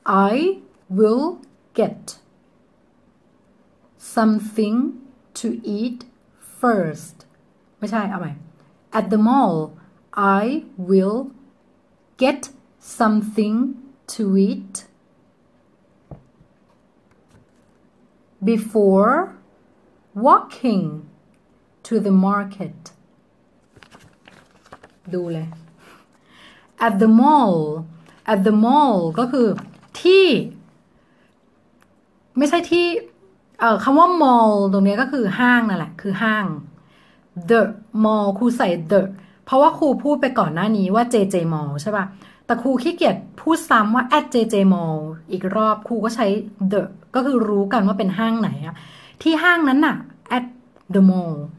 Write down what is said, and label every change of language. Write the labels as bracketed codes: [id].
[en] I will get something to eat first [th] ไม่ใช่เอาใหม่ [en] at the mall I will get something to eatBefore walking to the market. [th] ดูเลย [en] At the mall. At the mall [th] ก็คือที่ไม่ใช่ที่คำว่า mall ตรงนี้ก็คือห้างนั่นแหละคือห้าง The mall ครูใส่ the เพราะว่าครูพูดไปก่อนหน้านี้ว่า JJ mall ใช่ป่ะแต่ครูขี้เกียจพูดซ้ำว่า [en] at JJ mall [th] อีกรอบครูก็ใช้ theก็คือรู้กันว่าเป็นห้างไหนอะที่ห้างนั้นน่ะ [en] at the mall